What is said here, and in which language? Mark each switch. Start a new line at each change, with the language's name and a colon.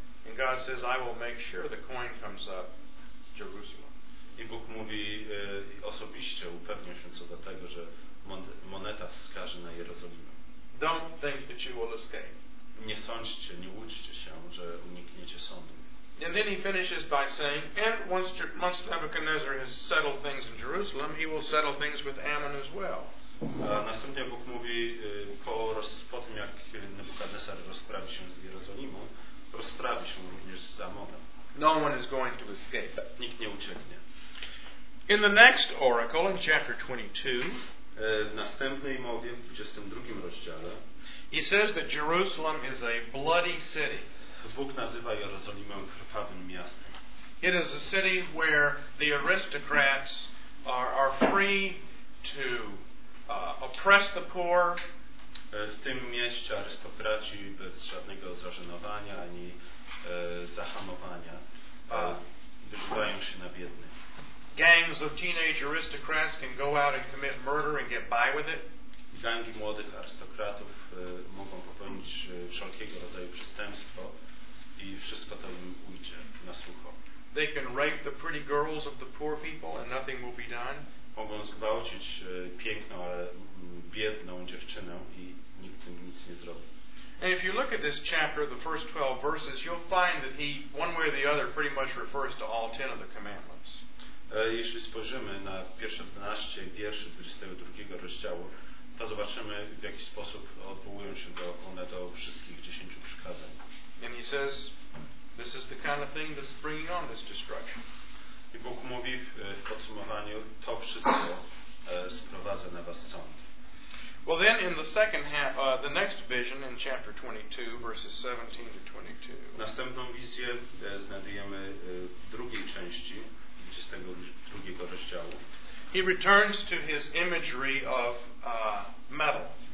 English: And God says, I will make sure the coin comes up Jerusalem.
Polish: I Bóg mówi, osobiście upewnię się co do tego, że moneta wskaże na Jerozolimę.
English: Don't think that you will escape.
Polish: Nie sądźcie, nie łudźcie się, że unikniecie sądu.
English: And then he finishes by saying, and once Nebuchadnezzar has settled things in Jerusalem, he will settle things with Ammon as well.
Polish: Następnie Bóg mówi, po tym jak Nebuchadnezzar rozprawi się z Jerozolimą, rozprawi się również z Ammonem.
English: No one is going to escape.
Polish: Nikt nie ucieknie.
English: In the next oracle, in chapter 22,
Polish: w następnej mowie, w 22 rozdziale,
English: he says that Jerusalem is a bloody city.
Polish: Bóg nazywa Jerozolimę krwawym miastem.
English: It is a city where the aristocrats are free to oppress the poor,
Polish: w tym mieście arystokraci bez żadnego zażenowania ani zahamowania wyrzucają się na biednych.
English: Gangs of teenage aristocrats can go out and commit murder and get by with it.
Polish: Gangi młodych arystokratów mogą popełnić wszelkiego rodzaju przestępstwo i wszystko to im ujdzie na sucho.
English: They can rape the pretty girls of the poor people and nothing will be done.
Polish: Mogą zgwałcić piękną, ale biedną dziewczynę i nikt tym nic nie zrobi.
English: And if you look at this chapter, the first 12 verses, you'll find that he, one way or the other, pretty much refers to all 10 of the commandments.
Polish: Jeśli spojrzymy na pierwsze 12 wierszy 22 rozdziału, to zobaczymy, w jaki sposób odwołują się do, one do wszystkich 10 przykazań.
English: And he says, this is the kind of thing that's bringing on this destruction.
Polish: I Bóg mówi w podsumowaniu, to wszystko sprowadza na was sąd.
English: Well then in the second half, the next vision in chapter 22, verses 17 to 22.
Polish: Następną wizję znajdujemy w drugiej części, 22 rozdziału.
English: He returns to his imagery of metal.